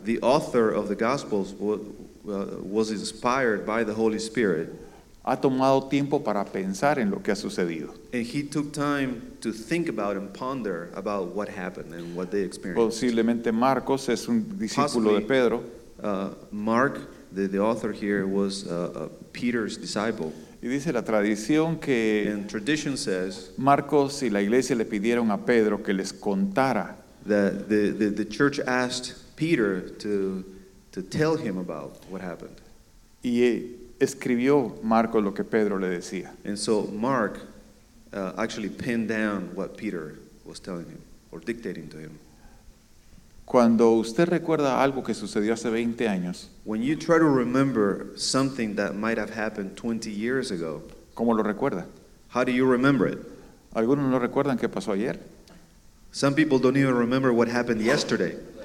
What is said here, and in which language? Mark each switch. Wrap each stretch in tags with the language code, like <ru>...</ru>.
<en>the author of the gospels was inspired by the Holy Spirit,</en> <es>ha tomado tiempo para pensar en lo que ha sucedido.</es> <en>And he took time to think about and ponder about what happened and what they experienced.</en> <es>Posiblemente Marcos es un discípulo</es> <en>Possibly,</en> <es>de Pedro.</es> <en>Mark, the author here, was Peter's disciple.</en> <es>Y dice la tradición que</es> <en>and tradition says,</en> <es>Marcos y la iglesia le pidieron a Pedro que les contara.</es> <en>The church asked Peter to tell him about what happened.</en> <es>Y escribió Marcos lo que Pedro le decía.</es> <en>And so Mark actually penned down what Peter was telling him or dictating to him.</en> <es>Cuando usted recuerda algo que sucedió hace 20 años,</es> <en>when you try to remember something that might have happened 20 years ago,</en> <es>¿cómo lo recuerda?</es> <en>How do you remember it?</en> <es>¿Algunos no recuerdan qué pasó ayer?</es> <en>Some people don't even remember what happened yesterday.</en>